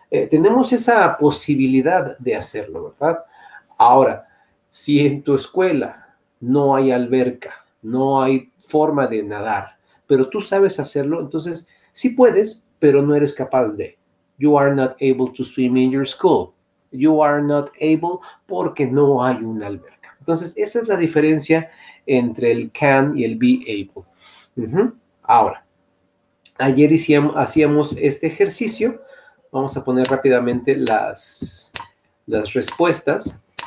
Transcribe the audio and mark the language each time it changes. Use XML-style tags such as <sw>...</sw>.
<es>Tenemos esa posibilidad de hacerlo, ¿verdad? Ahora, si en tu escuela no hay alberca, no hay forma de nadar, pero tú sabes hacerlo, entonces sí puedes, pero no eres capaz de.</es> <en>You are not able to swim in your school. You are not able</en> <es>porque no hay una alberca. Entonces, esa es la diferencia entre el can y el be able. Ahora, ayer hacíamos este ejercicio. Vamos a poner rápidamente las respuestas.</es>